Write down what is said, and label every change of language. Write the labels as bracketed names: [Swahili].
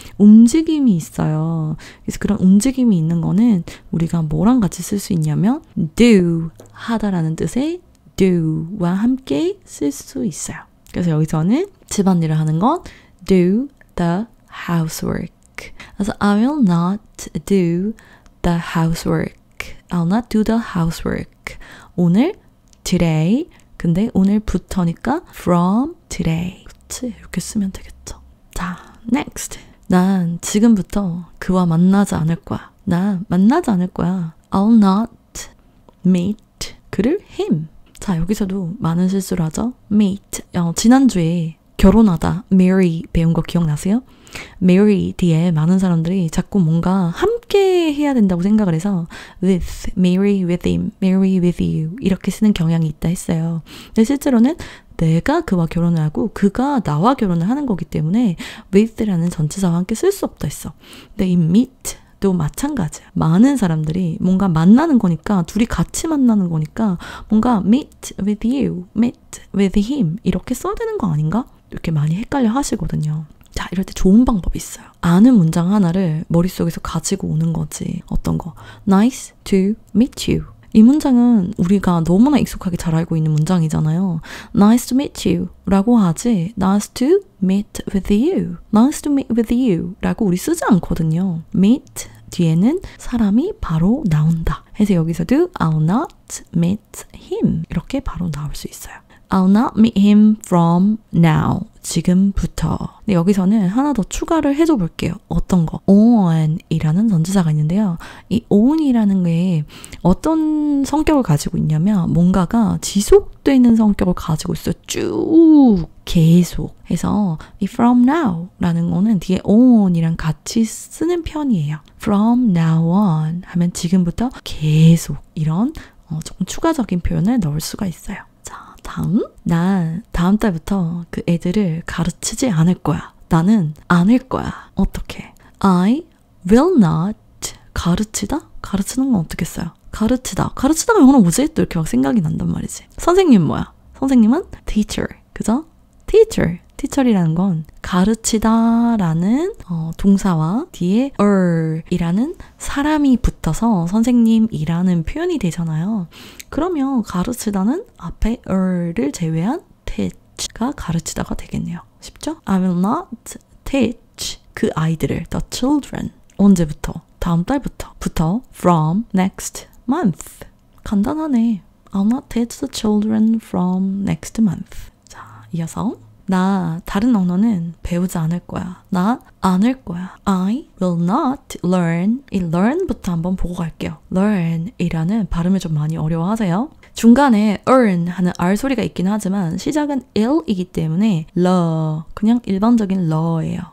[Korean] 움직임이 있어요. 그래서 그런 움직임이 있는 거는 우리가 뭐랑 같이 쓸수 있냐면 do 하다라는 뜻의 do와 함께 쓸수 있어요. 그래서 여기서는 집안일을 하는 건 [English] do the housework. 그래서 I will not do the housework. I'll not do the housework. [Korean] 오늘, today. 근데 오늘부터니까 [English] from today. [Korean] 그치? 이렇게 쓰면 되겠죠. 자, next. 난 지금부터 그와 만나지 않을 거야. 난 만나지 않을 거야. [English] I'll not meet [Korean] 그를 [English] him. [Korean] 자, 여기서도 많은 실수를 하죠. [English] meet. [Korean] 지난주에 결혼하다, marry 배운 거 기억나세요? marry 뒤에 많은 사람들이 자꾸 뭔가 함께 해야 된다고 생각을 해서 with, [English] marry with him, marry with you [Korean] 이렇게 쓰는 경향이 있다 했어요. 근데 실제로는 내가 그와 결혼을 하고 그가 나와 결혼을 하는 거기 때문에 with라는 전치사와 함께 쓸수 없다 했어. 근데 이 meet도 마찬가지야. 많은 사람들이 뭔가 만나는 거니까 둘이 같이 만나는 거니까 뭔가 [English] meet with you, meet with him [Korean] 이렇게 써야 되는 거 아닌가? 이렇게 많이 헷갈려 하시거든요. 자, 이럴 때 좋은 방법이 있어요. 아는 문장 하나를 머릿속에서 가지고 오는 거지. 어떤 거? [English] Nice to meet you. [Korean] 이 문장은 우리가 너무나 익숙하게 잘 알고 있는 문장이잖아요. [English] Nice to meet you [Korean] 라고 하지. [English] Nice to meet with you. Nice to meet with you [Korean] 라고 우리 쓰지 않거든요. meet 뒤에는 사람이 바로 나온다. 해서 여기서도 [English] I'll not meet him. [Korean] 이렇게 바로 나올 수 있어요. [English] I'll not meet him from now. [Korean] 지금부터. 근데 여기서는 하나 더 추가를 해줘 볼게요. 어떤 거? on이라는 전지사가 있는데요. 이 on이라는 게 어떤 성격을 가지고 있냐면 뭔가가 지속되는 성격을 가지고 있어. 쭉 계속. 해서 이 from now라는 거는 뒤에 on이랑 같이 쓰는 편이에요. [English] from now on [Korean] 하면 지금부터 계속 이런 조금 추가적인 표현을 넣을 수가 있어요. 다음? 난 다음 달부터 그 애들을 가르치지 않을 거야. 나는 안을 거야. 어떻게? [English] I will not 가르치다? [Korean] 가르치는 건 어떻게 써요? 가르치다. 가르치다가 영어로 뭐지? 또 이렇게 막 생각이 난단 말이지. 선생님 뭐야? 선생님은 teacher. 그죠? teacher. teacher이라는 건 가르치다라는 동사와 뒤에 er이라는 사람이 붙어서 선생님이라는 표현이 되잖아요. 그러면 가르치다는 앞에 er를 제외한 teach가 가르치다가 되겠네요. 쉽죠? [English] I will not teach [Korean] 그 아이들을 [English] the children [Korean] 언제부터? 다음 달부터 부터 [English] from next month [Korean] 간단하네. [English] I'll not teach the children from next month. [Korean] 자, 이어서 나 다른 언어는 배우지 않을 거야. 나 안을 거야. [English] I will not learn. [Korean] 이 learn부터 한번 보고 갈게요. learn이라는 발음을 좀 많이 어려워하세요. 중간에 earn 하는 r 소리가 있긴 하지만 시작은 l이기 때문에 러 그냥 일반적인 러예요.